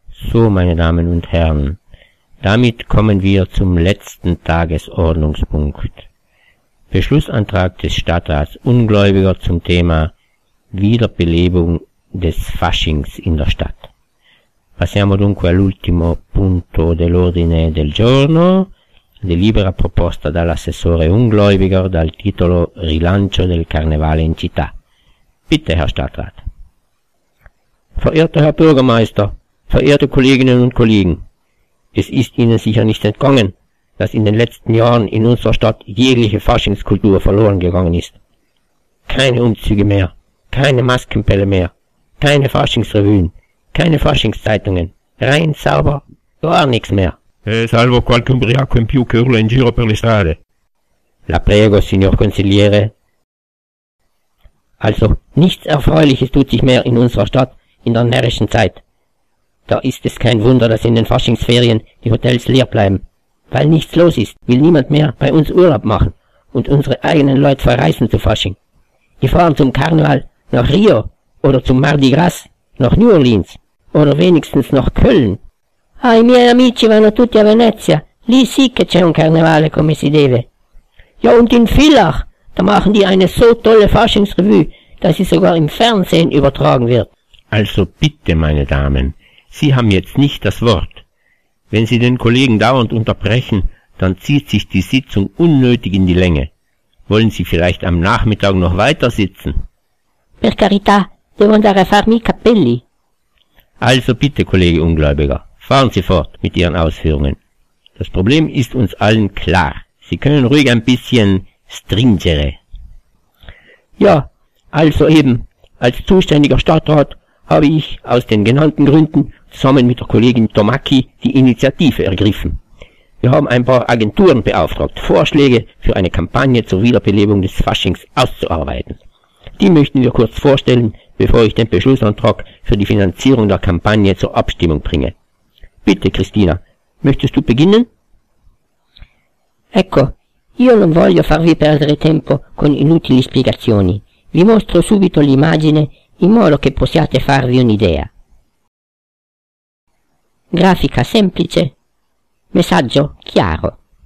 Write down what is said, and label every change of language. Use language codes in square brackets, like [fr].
[de] So, meine Damen und Herren, damit kommen wir zum letzten Tagesordnungspunkt. Beschlussantrag des Stadtrats Ungläubiger zum Thema Wiederbelebung des Faschings in der Stadt. [it] Passiamo dunque all'ultimo punto dell'ordine del giorno, delibera proposta dall'assessore Ungläubiger dal titolo Rilancio del Karnevale in Città. [de] Bitte, Herr Stadtrat. Verehrter Herr Bürgermeister, verehrte Kolleginnen und Kollegen, es ist Ihnen sicher nicht entgangen, dass in den letzten Jahren in unserer Stadt jegliche Faschingskultur verloren gegangen ist. Keine Umzüge mehr, keine Maskenbälle mehr, keine Faschingsrevuen, keine Faschingszeitungen, rein sauber, gar nichts mehr. [it] Salvo qualche ubriaco in più che urla in giro per le strade. La prego, signor Consigliere. [de] Also, nichts Erfreuliches tut sich mehr in unserer Stadt in der närrischen Zeit. Da ist es kein Wunder, dass in den Faschingsferien die Hotels leer bleiben. Weil nichts los ist, will niemand mehr bei uns Urlaub machen und unsere eigenen Leute verreisen zu Fasching. Die fahren zum Karneval nach Rio oder zum Mardi Gras nach New Orleans oder wenigstens nach Köln. [it] Ai miei amici vanno tutti a Venezia. Lì sì che c'è un Karnevale come si deve. [de] Ja, und in Villach, da machen die eine so tolle Faschingsrevue, dass sie sogar im Fernsehen übertragen wird. Also bitte, meine Damen, Sie haben jetzt nicht das Wort. Wenn Sie den Kollegen dauernd unterbrechen, dann zieht sich die Sitzung unnötig in die Länge. Wollen Sie vielleicht am Nachmittag noch weiter sitzen? [it] Per carità, devo andare a farmi i capelli. [de] Also bitte, Kollege Ungläubiger, fahren Sie fort mit Ihren Ausführungen. Das Problem ist uns allen klar. Sie können ruhig ein bisschen stringere. Ja, also eben, als zuständiger Stadtrat habe ich aus den genannten Gründen zusammen mit der Kollegin Tomacki die Initiative ergriffen. Wir haben ein paar Agenturen beauftragt, Vorschläge für eine Kampagne zur Wiederbelebung des Faschings auszuarbeiten. Die möchten wir kurz vorstellen, bevor ich den Beschlussantrag für die Finanzierung der Kampagne zur Abstimmung bringe. Bitte, Christina, möchtest du beginnen? [it] Ecco, io non voglio farvi perdere tempo con inutili spiegazioni. Vi mostro subito l'immagine, in modo che possiate farvi un'idea. Grafica semplice, messaggio chiaro.